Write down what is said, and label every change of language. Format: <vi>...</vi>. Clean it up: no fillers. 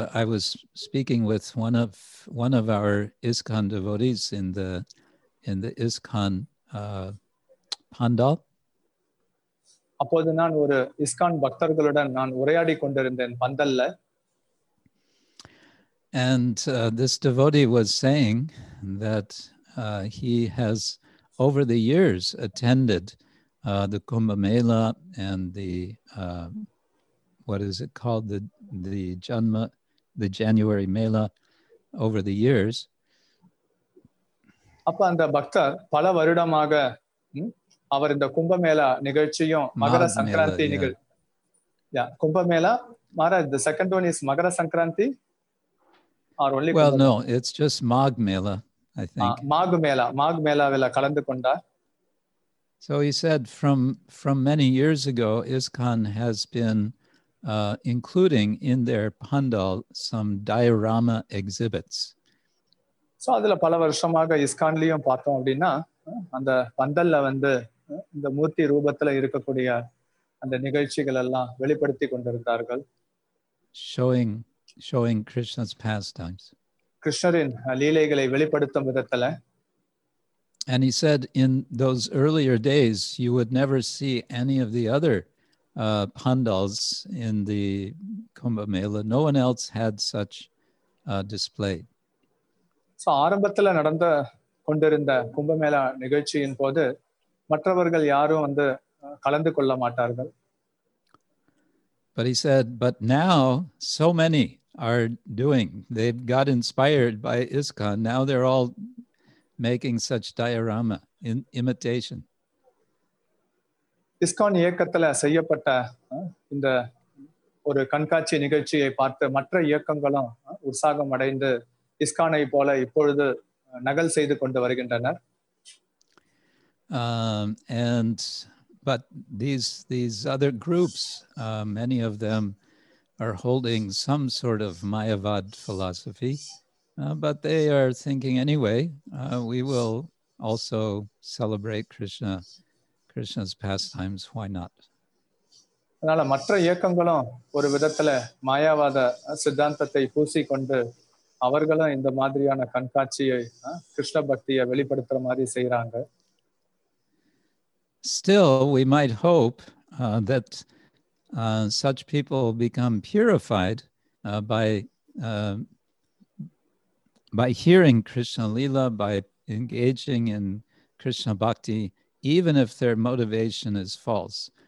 <en>I was speaking with one of our ISKCON devotees in the ISKCON Pandal.</en> <ta>அப்போது நான் ஒரு ISKCON பக்தர்களுடன் நான் உரையாடி கொண்டிருந்தேன் பந்தல்ல.</ta> <en>And this devotee was saying that he has over the years attended the Kumbh Mela and the what is it called, the January Mela over the years.</en> <ta>அப்ப அந்த பக்தர் பல வருடமாக அவர் இந்த கும்பமேளா நிகழ்ச்சியும் மகர சங்கராந்தி நிகழ்ச்சி.</ta> <en>Yeah Kumbh Mela Maharaj, the second one is Makara Sankranti or only? Well no, it's just Magh Mela I think.</en> <ta>Mach Mela, Mach மேளாவில கலந்து கொண்டார்.</ta> <en>So he said from many years ago ISKCON has been including in their pandal some diorama exhibits.</en> <ta>So அதுல பல வருஷமாக ISKCON-லயும் பார்த்தோம் அப்படினா அந்த பந்தல்ல வந்து இந்த மூர்த்தி ரூபத்துல இருக்கக்கூடிய அந்த நிகழ்ச்சிகள் எல்லாம் வெளிப்படுத்தி கொண்டிருந்தார்கள்.</ta> <en>Showing Krishna's pastimes.</en> <ta>கிருஷ்ணரின் லீலைகளை வெளிப்படுத்தும் விதத்துல.</ta> <en>And he said in those earlier days you would never see any of the other pandals in the Kumbh Mela. No one else had such display.</en> <ta>So ஆரம்பத்துல நடந்த கொண்டிருந்த கும்பமேளா நிகழ்ச்சியின் போது மற்றவர்கள் யாரும் வந்து கலந்து கொள்ள மாட்டார்கள்.</ta> <en>But he said, but now so many are doing. They've got inspired by ISKCON. Now they're all making such diorama in imitation.</en> <ta>ISKCON இயக்கத்தில் செய்யப்பட்ட இந்த ஒரு கண்காட்சி நிகழ்ச்சியை பார்த்து மற்ற இயக்கங்களும் உற்சாகம் அடைந்து ISKCON-ஐ போல இப்பொழுது நகல் செய்து கொண்டு வருகின்றனர்.</ta> <en>And but these other groups, many of them are holding some sort of Mayavad philosophy, but they are thinking anyway, we will also celebrate Krishna's pastimes, why not?</en> <ta>அதனால மற்ற இயக்கங்களும் ஒரு விதத்துல மாயாவாத சித்தாந்தத்தை பூசி கொண்டு அவர்களும் இந்த மாதிரியான கண்காட்சியை கிருஷ்ண பக்தியை வெளிப்படுத்துற மாதிரி செய்றாங்க.</ta> <en>Still we might hope that such people become purified by hearing Krishna Leela, by engaging in Krishna bhakti, even if their motivation is false.</en>